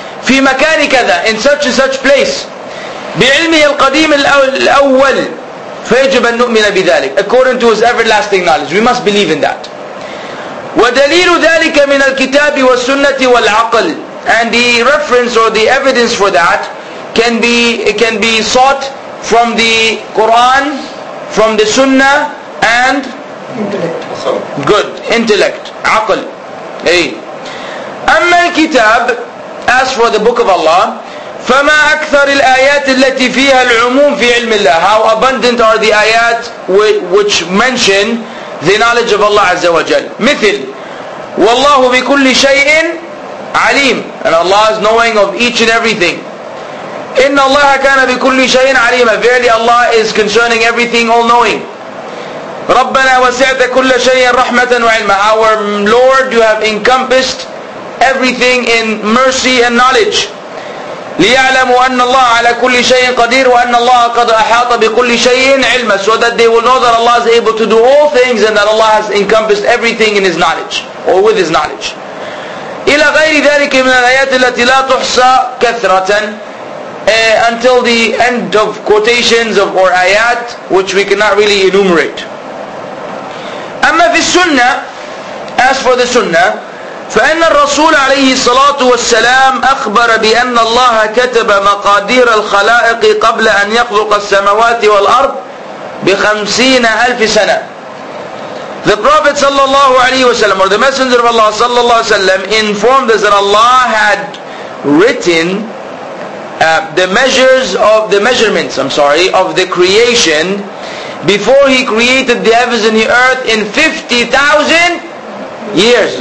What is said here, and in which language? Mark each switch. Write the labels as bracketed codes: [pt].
[ar] في مكان كذا, [en] in such and such place. [ar] بعلمه القديم الأول فيجب أن نؤمن بذلك. [en] According to his everlasting knowledge. We must believe in that. [ar] ودليل ذلك من الكتاب والسنة والعقل. [en] And the reference or the evidence for that can be sought from the Quran, from the Sunnah, and intellect, [ar] عقل. أي. أما الكتاب, [en] as for the Book of Allah, [ar] فما أكثر الآيات التي فيها العموم في علم الله. [en] How abundant are the آيات which mention the knowledge of Allah عز وجل. [ar] مثل والله بكل شيء عليم. [en] And Allah is knowing of each and everything. [ar] إن الله كان بكل شيء عليما. [en] Verily Allah is concerning everything, all knowing. [ar] ربنا وسعت كل شيء رحمة وعلما. [en] Our Lord, you have encompassed everything in mercy and knowledge. [ar] لِيَعْلَمُوا أَنَّ اللَّهَ عَلَى كُلِّ شَيْءٍ قَدِيرٌ وَأَنَّ اللَّهَ قَدْ أَحَاطَ بِكُلِّ شَيْءٍ عِلْمًا. [en] So that they will know that Allah is able to do all things and that Allah has encompassed everything in His knowledge or with His knowledge. [ar] إِلَى غَيْرِ ذَلِكَ مِنَ الْآيَاتِ الَّتِي لَا تُحْصَى كَثْرَةً. [en] Until the end of quotations of or ayat, which we cannot really enumerate. [ar] أَمَّا فِي السُّنَّةِ. [en] As for the sunnah, [ar] فإن الرسول عليه الصلاة والسلام أخبر بأن الله كتب مقادير الخلائق قبل أن يخلق السماوات والأرض بخمسين ألف سنة. [en] The Prophet صلى الله عليه وسلم, or the Messenger of Allah صلى الله عليه وسلم, informed us that Allah had written the measurements of the creation before He created the heavens and the earth in 50,000 years.